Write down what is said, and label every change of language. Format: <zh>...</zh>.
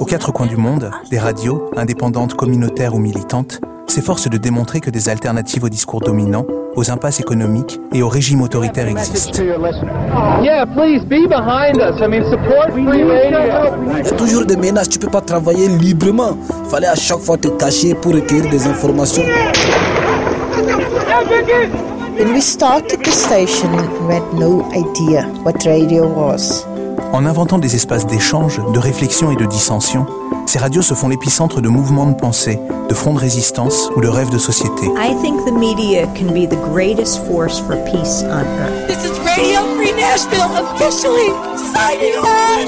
<fr>Aux quatre coins du monde, des radios indépendantes, communautaires ou militantes s'efforcent de démontrer que des alternatives aux discours dominants, aux impasses économiques et aux régimes autoritaires existent. Il y a toujours des menaces, tu ne peux pas travailler librement. Il fallait à chaque fois te cacher pour recueillir des informations.</fr> <en>When we started the station, we had no idea what radio was.</en> <fr>En inventant des espaces d'échange, de réflexion et de dissension, ces radios se font l'épicentre de mouvements de pensée, de fronts de résistance ou de rêves de société.</fr> <en>I think the media can be the greatest force for peace on earth. This is Radio Free Nashville officially signing off.</en>